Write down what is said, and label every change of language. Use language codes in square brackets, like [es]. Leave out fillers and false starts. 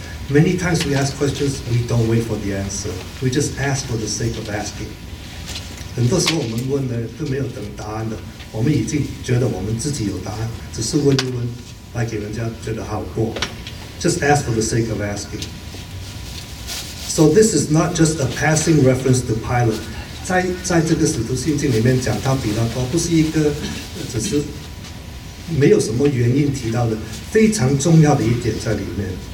[en] Many times we ask questions, we don't wait for the answer. We just ask for the sake of asking. [zh] 很多时候我们问呢，都没有等答案的，我们已经觉得我们自己有答案，只是问一问，来给人家觉得好过。 [en] Just ask for the sake of asking. So this is not just a passing reference to Pilate. [zh] 在这个使徒信经里面讲到比拉多，不是一个只是。没有什么原因提到的，非常重要的一点在里面。